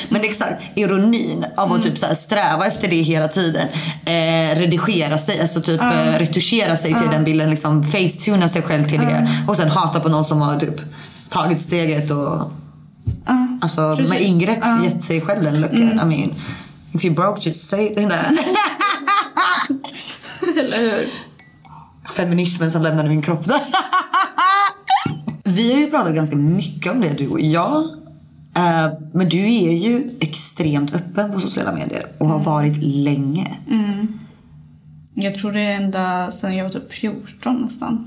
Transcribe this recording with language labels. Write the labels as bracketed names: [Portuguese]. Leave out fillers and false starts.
[Swedish] Men det är exakt ironin av att typ så här sträva efter det hela tiden, redigera sig, alltså typ retuschera sig till den bilden, liksom facetuna sig själv till det, och sen hata på någon som har typ tagit steget och alltså precis, med ingrepp gett sig själv den looken. [English] I mean, if you broke just say it in there. [Swedish] Eller hur? Feminismen som lämnade min kropp där. Vi har ju pratat ganska mycket om det, du och jag. Men du är ju extremt öppen på sociala medier och har varit länge. Jag tror det är ända sedan jag var typ 14 nästan.